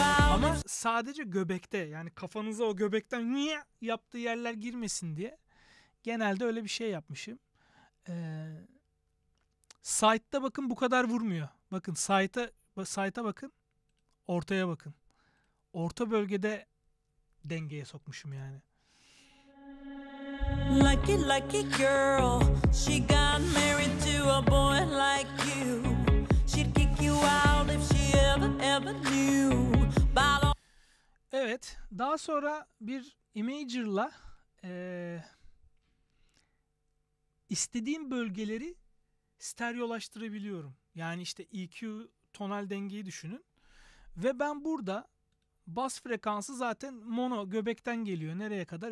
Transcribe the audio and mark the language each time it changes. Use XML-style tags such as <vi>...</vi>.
<tr>Ama sadece göbekte yani kafanıza o göbekten niye yaptığı yerler girmesin diye genelde öyle bir şey yapmışım. Site'da bakın bu kadar vurmuyor. Bakın site'a bakın. Ortaya bakın. Orta bölgede dengeye sokmuşum yani.</tr> <en>Lucky lucky girl, she got married to a boy like you. She'd kick you out if she ever knew.</en> <tr>Evet, daha sonra bir imager'la istediğim bölgeleri stereolaştırabiliyorum. Yani işte EQ tonal dengeyi düşünün. Ve ben burada bas frekansı zaten mono göbekten geliyor. Nereye kadar?</tr>